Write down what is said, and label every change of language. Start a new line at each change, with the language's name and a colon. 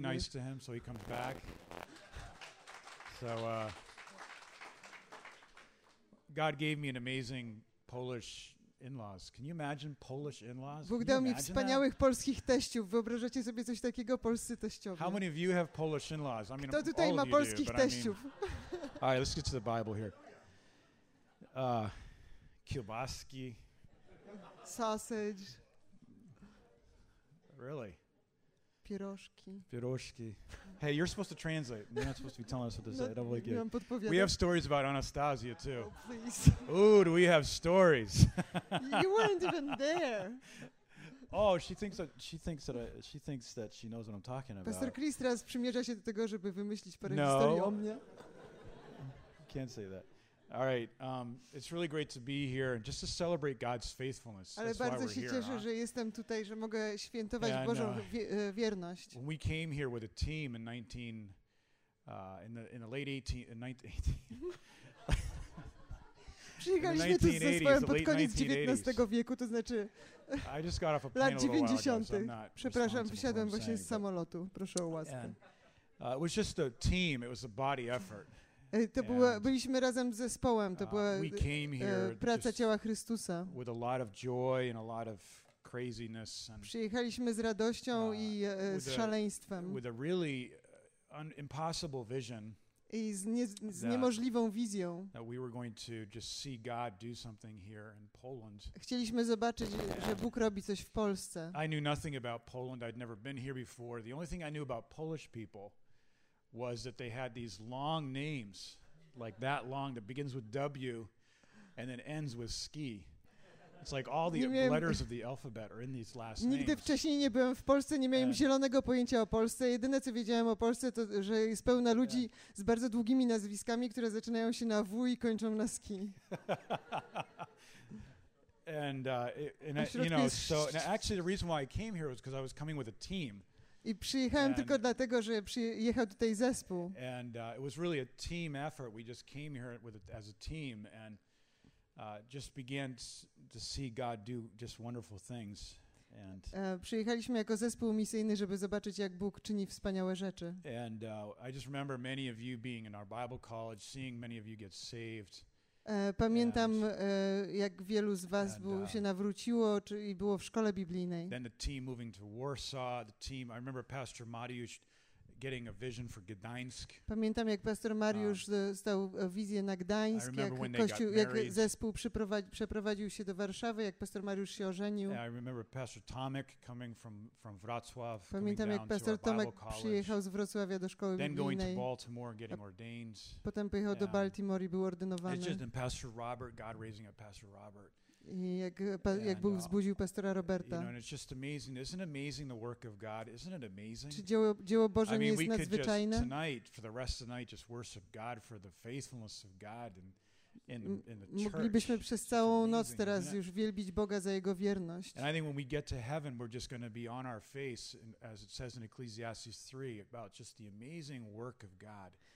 English: So be nice to him so he comes back. So God gave me an amazing Polish in-laws. Can you imagine Polish in-laws?
Polish: Bóg dał mi wspaniałych polskich teściów. Wyobrażacie sobie coś takiego? Polscy teściowie.
English: How many of you have Polish in-laws? I mean,
Polish: kto tutaj ma polskich teściów?
English: All right, let's get to the Bible here.
Polish: Kiełbaski.
English: Sausage. Really?
Polish: Pierożki. Pierożki.
English: Hey, you're supposed to translate. You're not supposed to be telling us what to say. No, I don't want to get. We have stories about Anastasia, too. Oh, please. Ooh, do we have stories? You weren't even there. Oh, she thinks that she knows what I'm talking about.
Polish: Pastor Chris teraz przymierza się do tego, żeby wymyślić parę historii o mnie.
English: No. Can't say that. All right. It's really great to be here and just to celebrate God's faithfulness.
Polish: Ale
English: that's
Polish: bardzo
English: why we're
Polish: się cieszę,
English: here,
Polish: że jestem tutaj, że mogę świętować Bożą wierność.
English: When we came here with a team in 19 in the late 18 1980.
Polish: Przyjechaliśmy tu ze swoim pod koniec XIX wieku, to znaczy
English: I just got off a plane 90. A while ago, so
Polish: przepraszam, wysiadłem właśnie z samolotu. Proszę o łaskę.
English: It was just a team. It was a body effort.
Polish: To było, byliśmy razem z zespołem, to była praca ciała Chrystusa.
English: With a lot of joy and a lot of craziness and
Polish: przyjechaliśmy z radością i z szaleństwem.
English: With a really impossible vision.
Polish: I z niemożliwą wizją.
English: That we were going to just see God do something here in Poland.
Polish: Chcieliśmy zobaczyć, że Bóg robi coś w Polsce.
English: I knew nothing about Poland. I'd never been here before. The only thing I knew about Polish people was that they had these long names, like that long, that begins with W and then ends with ski. It's like all the letters of the alphabet are in these last names.
Polish: Nigdy wcześniej nie byłem w Polsce, nie miałem zielonego pojęcia o Polsce. Jedyne, co wiedziałem o Polsce, to, że jest pełna ludzi z bardzo długimi nazwiskami, które zaczynają się na W i kończą na ski.
English: Actually the reason why I came here was because I was coming with a team.
Polish: I przyjechałem tylko dlatego, że jechał tutaj zespół.
English: And it was really a team effort. We just came here as a team and just began to see God do just wonderful things. And
Polish: przyjechaliśmy jako zespół misyjny, żeby zobaczyć, jak Bóg czyni wspaniałe rzeczy.
English: And I just remember many of you being in our Bible college, seeing many of you get saved.
Polish: Pamiętam, jak wielu z was się nawróciło i było w szkole biblijnej.
English: Then the team moving to Warsaw, the team, I remember Pastor Mariusz getting a vision for Gdańsk.
Polish: Pamiętam, jak pastor Mariusz dostał wizję na Gdańsk, jak zespół przeprowadził się do Warszawy, jak pastor Mariusz się ożenił.
English: I remember Pastor Tomek coming from Wrocław.
Polish: Pamiętam, jak pastor Tomek przyjechał z Wrocławia do szkoły biblijnej.
English: Then going to Baltimore, getting ordained.
Polish: Potem pojechał do Baltimore i był ordynowany.
English: It's just in Pastor Robert, God raising up Pastor Robert.
Polish: I jak Bóg wzbudził pastora Roberta.
English: You know, and it's just amazing. Isn't it amazing the work of God? Isn't it amazing?
Polish: Czy dzieło Boże nie jest nadzwyczajne?
English: I mean, we could just tonight, for the rest of the night, just worship God for the faithfulness of God in the church.
Polish: Moglibyśmy przez całą noc teraz już wielbić Boga za Jego wierność.
English: And I think when we get to heaven, we're just going to be on our face, as it says in Ecclesiastes 3, about just the amazing work of God.